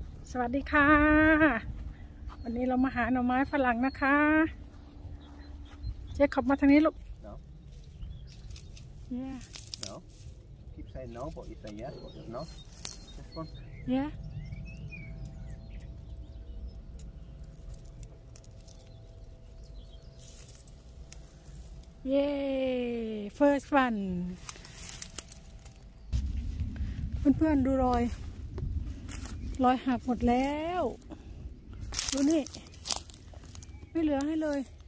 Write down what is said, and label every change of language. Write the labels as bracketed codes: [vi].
[th] สวัสดีค่ะวันนี้เรามาหาหน่อไม้ฝรั่งนะคะเจ๊ขับมาทางนี้ลูก [en] no yeah no keep saying no but you say yes but no this one yeah yeah first one [th] เพื่อนๆดูรอยหักหมดแล้วดูนี่ไม่เหลือให้เลย